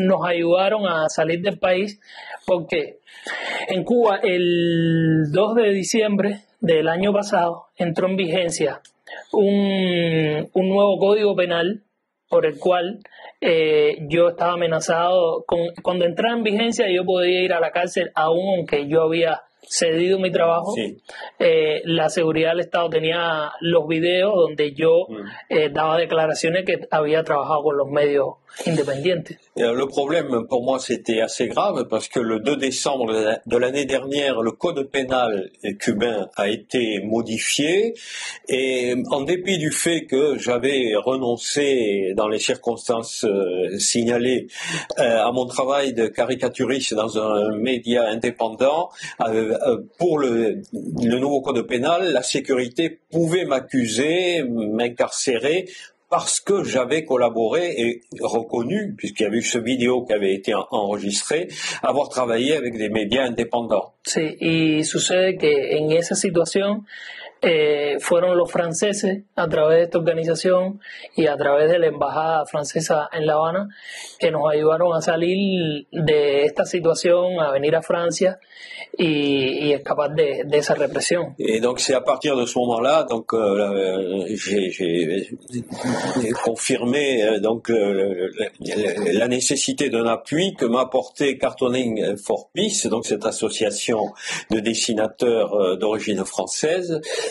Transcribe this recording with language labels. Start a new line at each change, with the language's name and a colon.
Spanish: Nos ayudaron a salir del país porque en Cuba el 2 de diciembre del año pasado entró en vigencia un nuevo código penal por el cual yo estaba amenazado. Cuando entraba en vigencia yo podía ir a la cárcel aún aunque yo había cedido mi trabajo. Sí. La seguridad del Estado tenía los videos donde yo daba declaraciones que había trabajado con los medios independientes.
French: Le problème pour moi c'était assez grave parce que le 2 décembre de l'année dernière le code pénal cubain a été modifié et en dépit du fait que j'avais renoncé dans les circonstances signalées à mon travail de caricaturiste dans un média indépendant, pour le nouveau code pénal la sécurité pouvait m'accuser, m'incarcérer parce que j'avais collaboré et reconnu, puisqu'il y avait eu ce vidéo qui avait été enregistré, avoir travaillé avec des médias indépendants.
Spanish: Sí, y sucede que en esa situación fueron los franceses a través de esta organización y a través de la embajada francesa en La Habana que nos ayudaron a salir de esta situación, a venir a Francia y escapar de esa represión.
French: Et donc c'est à partir de ce moment-là donc j'ai confirmé donc la nécessité d'un appui que m'a apporté Cartooning for Peace, donc cette association de dessinateurs d'origine française.